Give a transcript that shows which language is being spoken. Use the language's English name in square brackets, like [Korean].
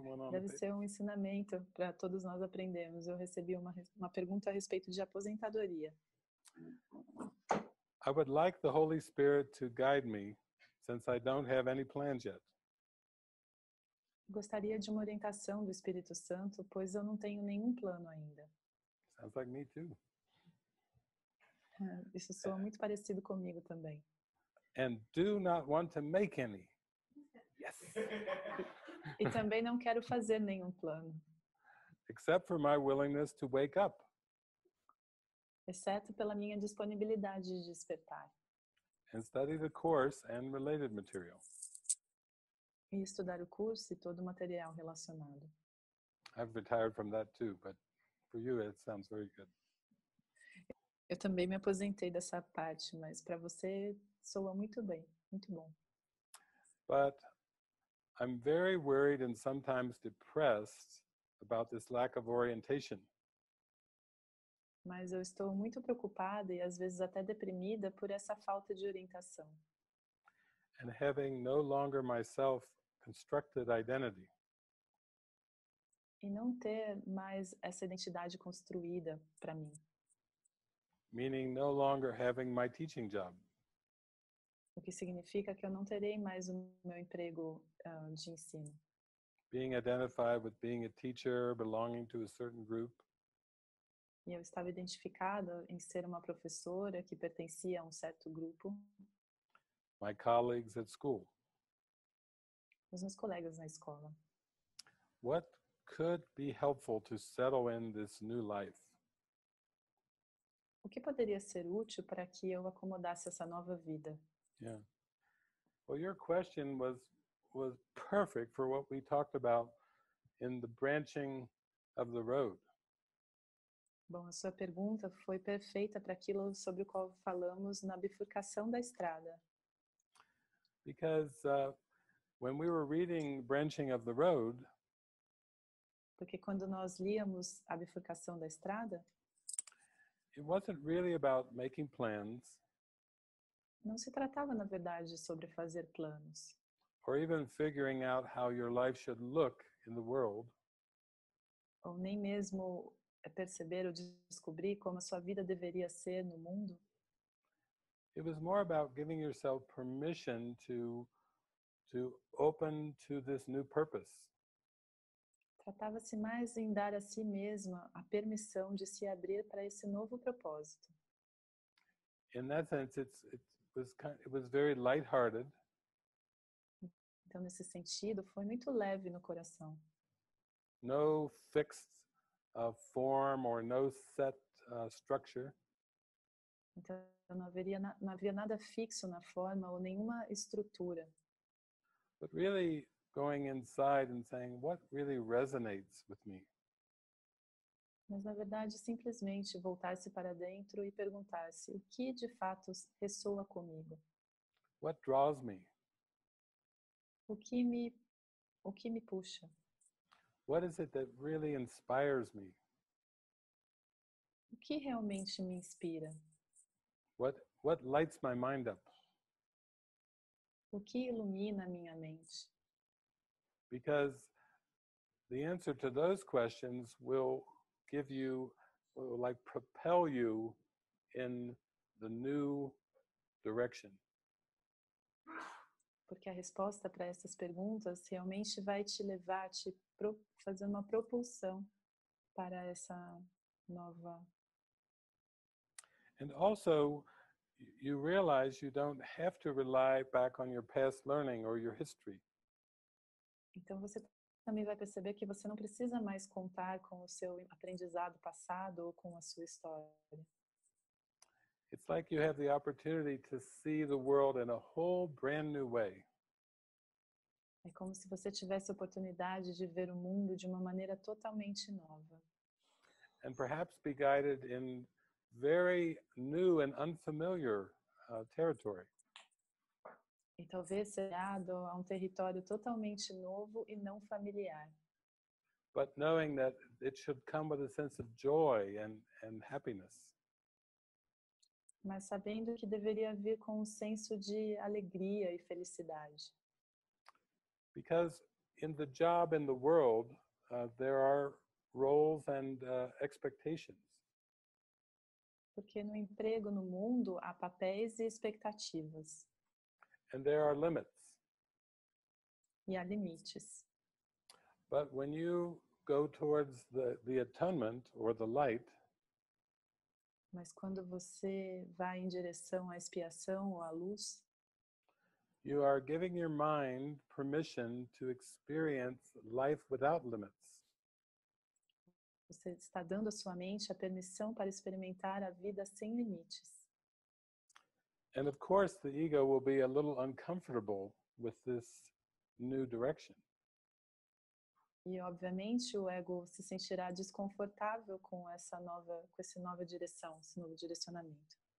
[Portuguese] Deve ser um ensinamento para todos nós aprendermos. Eu recebi uma pergunta a respeito de aposentadoria. [English] I would like the Holy Spirit to guide me, since I don't have any plans yet. [Portuguese] Gostaria de uma orientação do Espírito Santo, pois eu não tenho nenhum plano ainda. [English] Sounds like me too. [Portuguese] Isso soa muito parecido comigo também. [English] And do not want to make any. Yes. [Portuguese] E também não quero fazer nenhum plano. [English] Except for my willingness to wake up. [Portuguese] Exceto pela minha disponibilidade de despertar. [English] And study the course and related material. [Portuguese] E estudar o curso e todo o material relacionado. [English] I've retired from that too, but for you it sounds very good. [Portuguese] Eu também me aposentei dessa parte, mas para você soa muito bem, muito bom. [English] But I'm very worried and sometimes depressed about this lack of orientation. [Portuguese] Mas eu estou muito preocupada e às vezes até deprimida por essa falta de orientação. [English] And having no longer myself constructed identity. [Portuguese] E não ter mais essa identidade construída para mim. [English] meaning no longer having my teaching job. [Portuguese] O que significa que eu não terei mais o meu emprego de ensino. [English] Being identified with being a teacher, belonging to a certain group. [Portuguese] E eu estava identificada em ser uma professora que pertencia a um certo grupo. [English] My colleagues at school. [Portuguese] Os meus colegas na escola. [English] What could be helpful to settle in this new life? [Portuguese] O que poderia ser útil para que eu acomodasse essa nova vida? [English] Yeah. Well, your question was perfect for what we talked about in the branching of the road. [Portuguese] Bom, a sua pergunta foi perfeita para aquilo sobre o qual falamos na bifurcação da estrada. [English] Because when we were reading branching of the road, [Portuguese] porque quando nós líamos a bifurcação da estrada, [English] it wasn't really about making plans. [Portuguese] Não se tratava, na verdade, sobre fazer planos. [English] Or even figuring out how your life should look in the world. [Portuguese] Ou nem mesmo perceber ou descobrir como a sua vida deveria ser no mundo. [English] It was more about giving yourself permission to open to this new purpose. [Portuguese] Tratava-se mais em dar a si mesma a permissão de se abrir para esse novo propósito. [English] In that sense, it was very light-hearted. [Portuguese] Então, nesse sentido, foi muito leve no coração. [English] No fixed form or no set structure. [Portuguese] Então, não havia nada fixo na forma ou nenhuma estrutura. [English] But really going inside and saying, what really resonates with me? [Portuguese] Mas, na verdade, simplesmente voltar-se para dentro e perguntar-se, o que de fato ressoa comigo? [English] What draws me? [Portuguese] O que me puxa? [English] What is it that really inspires me? [Portuguese] O que realmente me inspira? [English] What lights my mind up? [Portuguese] O que ilumina minha mente? [English] Because the answer to those questions will give you, like propel you in the new direction. [Portuguese] Porque a resposta para essas perguntas realmente vai te levar, te fazer uma propulsão para essa nova. [English] And also, you realize you don't have to rely back on your past learning or your history. [Portuguese] Então você também vai perceber que você não precisa mais contar com o seu aprendizado passado ou com a sua história. [English] It's like you have the opportunity to see the world in a whole brand new way. [Portuguese] É como se você tivesse a oportunidade de ver o mundo de uma maneira totalmente nova. [English] And perhaps be guided in very new and unfamiliar territory. [Portuguese] E talvez ser guiado a um território totalmente novo e não familiar. [English] But knowing that it should come with a sense of joy and happiness. [Portuguese] Mas sabendo que deveria vir com um senso de alegria e felicidade. [English] Because in the job in the world, there are roles and expectations. [Portuguese] Porque no emprego no mundo há papéis e expectativas. [English] And there are limits. [Portuguese] E há limites. [English] But when you go towards the atonement or the light, [Portuguese] mas quando você vai em direção à expiação ou à luz, [English] you are giving your mind permission to experience life without limits. [Portuguese] Você está dando à sua mente a permissão para experimentar a vida sem limites. [English] And of course, the ego will be a little uncomfortable with this new direction. [Portuguese] E obviamente o ego se sentirá desconfortável com essa nova, com essa nova direção, esse novo direcionamento.